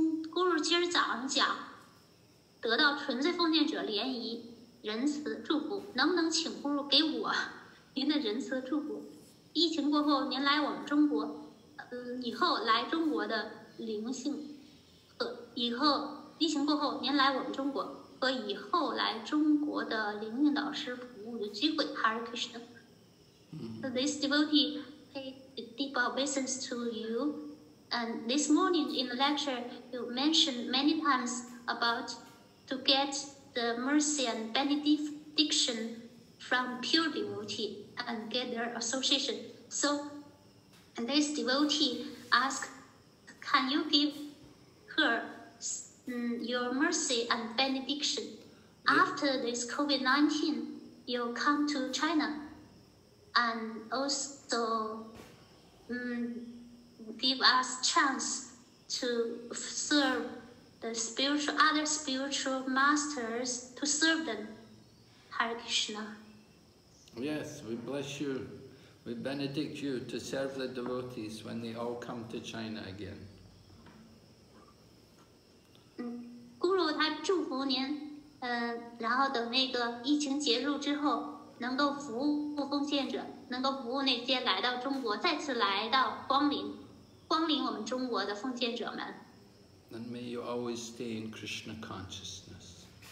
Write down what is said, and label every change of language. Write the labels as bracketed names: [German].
[Chinese] 古鲁今儿早上讲，得到纯粹奉献者联谊仁慈祝福，能不能请古鲁给我您的仁慈祝福？疫情过后，您来我们中国，以后来中国的灵性，以后疫情过后您来我们中国和以后来中国的灵性导师服务的机会。 [English] Hare Krishna. This devotee paid deep obeisance to you, and this morning in the lecture you mentioned many times about to get the mercy and benediction from pure devotee. And get their association. So, and this devotee asked, "Can you give her your mercy and benediction after this COVID-19? You come to China, and also give us chance to serve the spiritual other spiritual masters to serve them, Hare Krishna." Yes, we bless you. We benedict you to serve the devotees when they all come to China again. [Chinese] Guru, 他祝福您，然后等那个疫情结束之后，能够服务奉献者，能够服务那些来到中国，再次来到光临我们中国的奉献者们。 [English] And may you always stay in Krishna consciousness.